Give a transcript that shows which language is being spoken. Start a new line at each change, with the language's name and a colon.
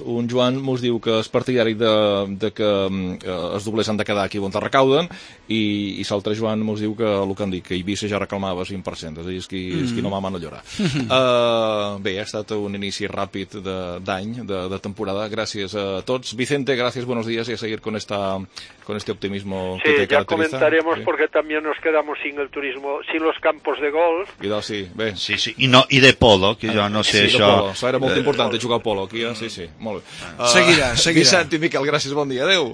Catalan: Un Joan mos diu que és partidari de que els doblers han de quedar aquí on te recauden, i l'altre Joan mos diu que el que han dit, que Eivissa ja reclamava 100%, és a dir, és qui
Spanish: no mama no llora.
Catalan: Bé, ha estat un inici ràpid d'any, de temporada. Gràcies a tots. Vicente, gràcies,
Spanish: buenos días,
Catalan: i
Spanish: a seguir con este optimismo sí,
Catalan: que te caracteritza.
Spanish: Sí, ja comentaremos,
Catalan: perquè també
Spanish: nos quedamos sin el turismo... los campos de golf.
Catalan: I d'ací, bé. Sí, sí, i de polo, que jo no sé sí, això. Sí, era molt important jugar a polo aquí, sí, sí, molt bé. Seguirà. Vicent i Miquel, gràcies, bon dia, adeu.